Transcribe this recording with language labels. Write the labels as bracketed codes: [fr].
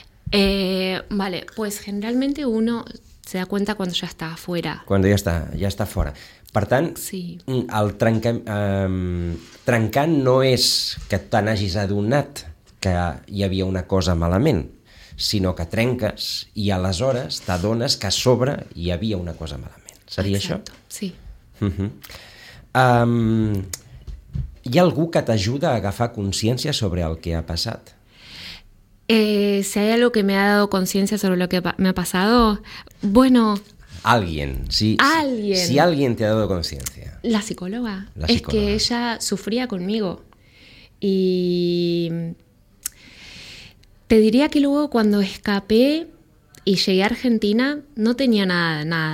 [es] Vale, pues generalmente uno se da cuenta cuando ya está afuera. Cuando ya está [ca] fora. Per tant, sí. El trencar no és que te n'hagis adonat que hi havia una cosa malament, sinó que trenques i aleshores t'adones que a sobre hi havia una cosa malament. Seria [es] exacto. [ca] Això? Sí. Hi ha algú que t'ajuda a agafar consciència sobre el que ha passat? [es] Si hay algo que me ha dado consciencia sobre lo que me ha pasado, bueno... Alguien. Si alguien te ha dado conciencia. La psicóloga. Es que ella sufría conmigo. Y te diría que luego cuando escapé y llegué a Argentina, no tenía nada.